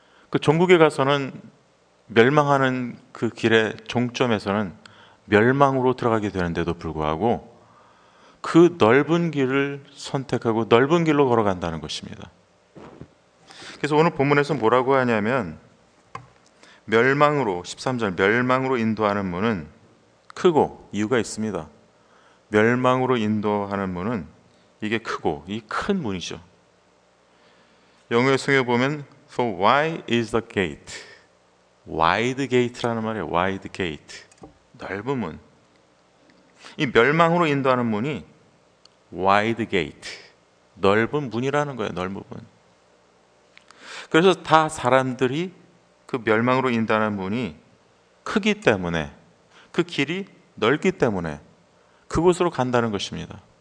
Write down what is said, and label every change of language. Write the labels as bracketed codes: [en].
[ko] 그 종국에 가서는 멸망하는 그 길의 종점에서는 멸망으로 들어가게 되는데도 불구하고 그 넓은 길을 선택하고 넓은 길로 걸어간다는 것입니다. 그래서 오늘 본문에서 뭐라고 하냐면 멸망으로, 13절 멸망으로 인도하는 문은 크고, 이유가 있습니다. 멸망으로 인도하는 문은 이게 크고, 이 큰 문이죠. 영어에 숨겨 보면 [en] For wide is the gate. [ko] Wide gate라는 말이에요. Wide gate. 넓은 문. 이 멸망으로 인도하는 문이 Wide gate. 넓은 문이라는 거예요. 넓은 문. 그래서 다 사람들이 그 멸망으로 인도하는 문이 크기 때문에, 그 길이 넓기 때문에 그곳으로 간다는 것입니다.